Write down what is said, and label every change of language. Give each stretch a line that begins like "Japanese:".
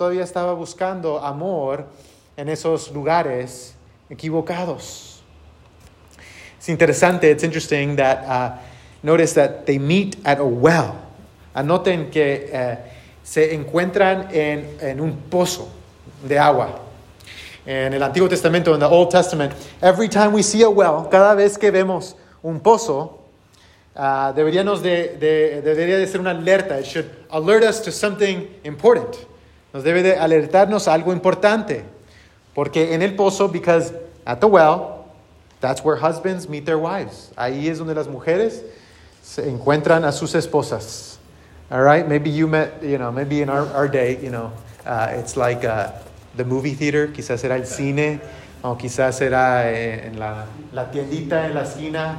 Spanish: Todavía estaba buscando amor en esos lugares equivocados. Es interesante,
English: it's interesting that, notice that they meet at a well.
Spanish: Anoten que se encuentran en un pozo de agua. En el Antiguo Testamento,
English: in the Old Testament, every time we see a well,
Spanish: cada vez que vemos un pozo, debería de ser una alerta.
English: It should alert us to something important.
Spanish: Nos debe de alertarnos a algo importante. Porque en el pozo,
English: because at the well, that's where husbands meet their wives.
Spanish: Ahí es donde las mujeres se encuentran a sus esposas.
English: All right? Maybe you met, you know, maybe in our day, you know, it's like the movie theater.
Spanish: Quizás era el cine. O quizás era en la tiendita en la esquina.